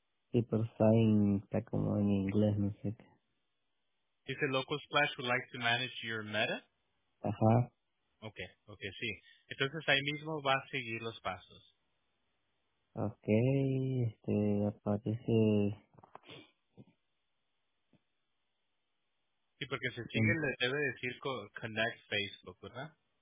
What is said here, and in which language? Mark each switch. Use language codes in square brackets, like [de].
[es] que sí, pero está como en inglés, no sé qué. Dice, [en] Locos Plus would like to manage your meta. [es] Ajá. Okay, sí. Entonces ahí mismo va a seguir los pasos. Okay, aparece. Sí, porque se sigue, le debe decir Connect Facebook, ¿verdad?